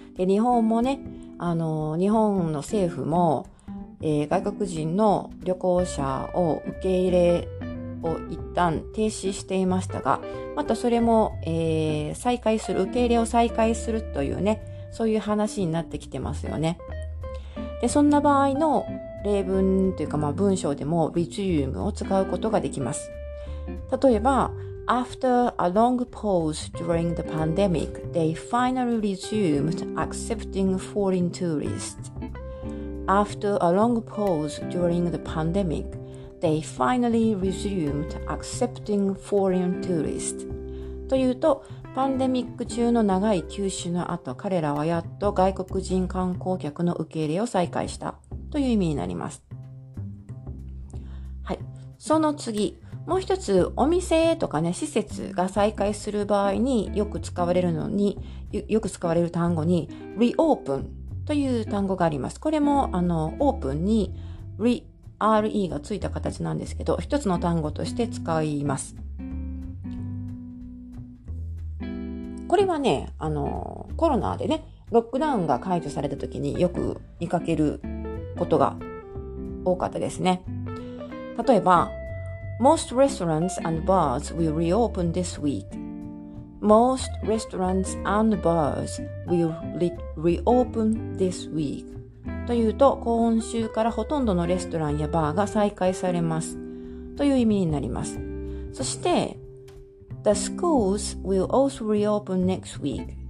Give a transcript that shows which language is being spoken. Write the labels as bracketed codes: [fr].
[ja] で、日本もね、日本の政府も、外国人の旅行者を受け入れを一旦停止していましたが、またそれも、再開する、受け入れを再開するというね、そういう話になってきてますよね。で、そんな場合の、例文というか、文章でも resume を使うことができます。例えば、 [en] After a long pause during the pandemic, they finally resumed accepting foreign tourists. After a long pause during the pandemic, they finally resumed accepting foreign tourists. [ja] というと、パンデミック中の長い休止の後、彼らはやっと外国人観光客の受け入れを再開した。という意味になります。はい。その次、もう一つ、お店とかね、施設が再開する場合によく使われるのに、よく使われる単語に、reopen という単語があります。これも、open に、re がついた形なんですけど、一つの単語として使います。これはね、コロナでね、ロックダウンが解除された時によく見かけることが多かったですね。例えば、 [en] Most restaurants and bars will reopen this week. Most restaurants and bars will reopen this week. [ja] というと、今週からほとんどのレストランやバーが再開されます。という意味になります。そして、 [en] The schools will also reopen next week.